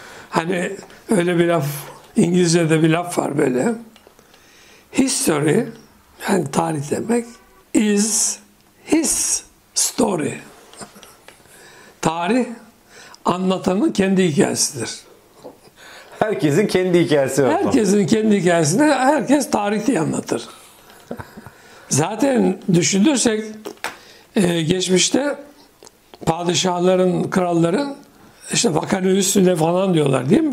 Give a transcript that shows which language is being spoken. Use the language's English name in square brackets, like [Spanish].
[Turkish] Hani öyle bir laf, İngilizce'de bir laf var böyle. [English] History, [Turkish] yani tarih demek, [English] is his story. [Turkish] Tarih, anlatanın kendi hikayesidir. Herkesin kendi hikayesi var. Herkesin kendi hikayesini herkes tarih diye anlatır. Zaten düşünürsek geçmişte padişahların, kralların işte vakanı üstüne falan diyorlar değil mi?